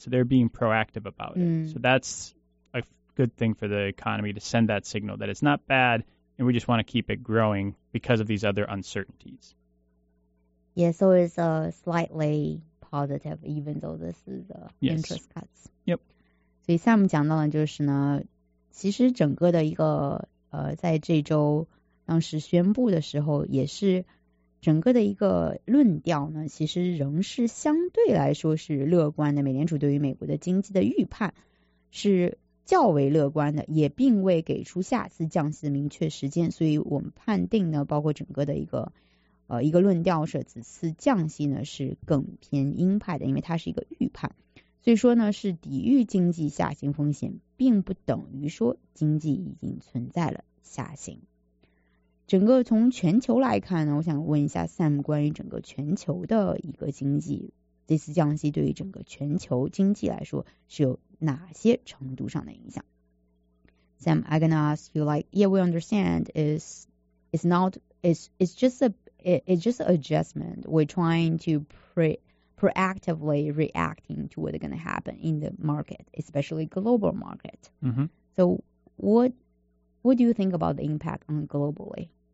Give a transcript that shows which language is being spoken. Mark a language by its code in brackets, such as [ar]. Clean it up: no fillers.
[en] So they're being proactive about it. So that's a good thing for the economy to send that signal that it's not bad and we just want to keep it growing because of these other uncertainties. Yeah, so it's a slightly positive, even though this is the interest cuts. Yep. [zh] 所以 Sam 讲到的就是呢，其实整个的一个在这周当时宣布的时候，也是整个的一个论调呢，其实仍是相对来说是乐观的。美联储对于美国的经济的预判是较为乐观的，也并未给出下次降息的明确时间。所以我们判定呢，包括整个的一个论调是此次降息呢是更偏鹰派的，因为它是一个预判，所以说呢是抵御经济下行风险，并不等于说经济已经存在了下行。整个从全球来看呢，我想问一下 Sam 关于整个全球的一个经济，这次降息对于整个全球经济来说是有哪些程度上的影响？ [en] Sam, I'm gonna ask you, like, yeah, we understand it's not, it's just a, it's just adjustment. We're trying to proactively reacting to what's going to happen in the market, especially global market. Mm-hmm. So what do you think about the impact on globally?